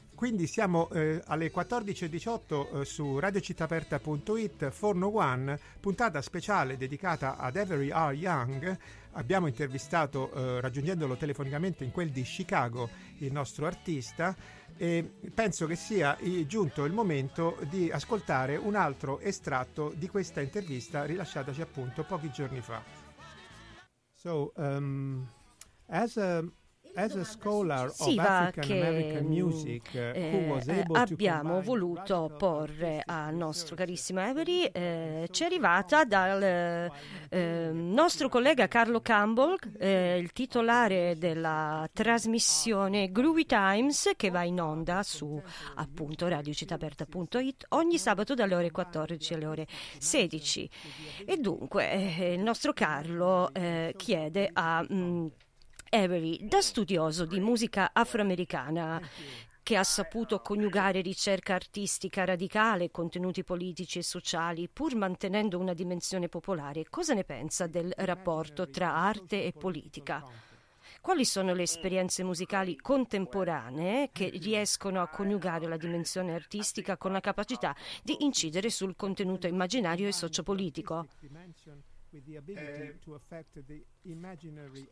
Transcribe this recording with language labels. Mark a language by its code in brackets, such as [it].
[it] Quindi siamo alle 14.18 su radiocittaperta.it, Forno One, puntata speciale dedicata ad Avery R. Young. Abbiamo intervistato, raggiungendolo telefonicamente in quel di Chicago, il nostro artista, e penso che sia giunto il momento di ascoltare un altro estratto di questa intervista rilasciataci appunto pochi giorni fa. [en] So, as a scholar of African-American music, [it] abbiamo voluto porre al nostro carissimo Avery, ci è arrivata dal nostro collega Carlo Campbell, il titolare della trasmissione Groovy Times, che va in onda su appunto radiocittaperta.it ogni sabato dalle ore 14 alle ore 16. E dunque il nostro Carlo chiede a Avery, da studioso di musica afroamericana, che ha saputo coniugare ricerca artistica radicale, contenuti politici e sociali, pur mantenendo una dimensione popolare, cosa ne pensa del rapporto tra arte e politica? Quali sono le esperienze musicali contemporanee che riescono a coniugare la dimensione artistica con la capacità di incidere sul contenuto immaginario e sociopolitico? [en] With the ability to affect the imaginary